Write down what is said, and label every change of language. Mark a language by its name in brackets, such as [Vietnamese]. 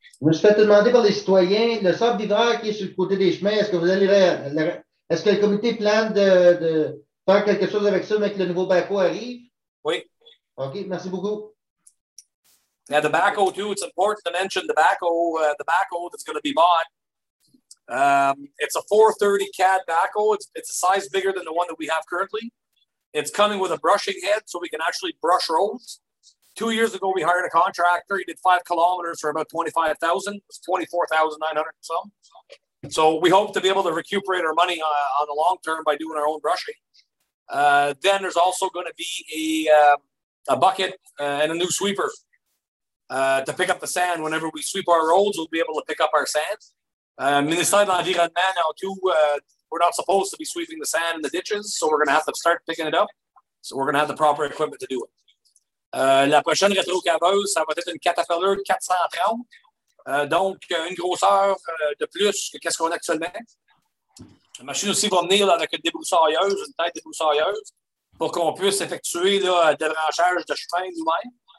[French] Je me suis fait demander par les citoyens, le sable d'hiver qui est sur le côté des chemins, est-ce que vous allez est-ce que le comité plane de faire quelque chose avec ça, mais que le nouveau backhoe arrive? Oui. OK, merci beaucoup. [English] Yeah, the backhoe too, it's important to mention the backhoe that's going to be bought. It's a 430 CAD backhoe. It's a size bigger than the one that we have currently. It's coming with a brushing head so we can actually brush roads. 2 years ago, we hired a contractor. He did 5 kilometers for about $25,000. It's $24,900 and some. So we hope to be able to recuperate our money on the long term by doing our own brushing. Then there's also going to be a bucket and a new sweeper to pick up the sand. Whenever we sweep our roads, we'll be able to pick up our sand. Ministère de l'Environnement now too, we're not supposed to be sweeping the sand in the ditches, so we're going to have to start picking it up. So we're going to have the proper equipment to do it. [French] La prochaine rétrocaveuse, ça va être une Caterpillar 430, donc une grosseur de plus que qu'est-ce qu'on a actuellement. La machine aussi va venir là, avec une débroussailleuse, une tête débroussailleuse, pour qu'on puisse effectuer là, un débranchage de chemin nous-mêmes.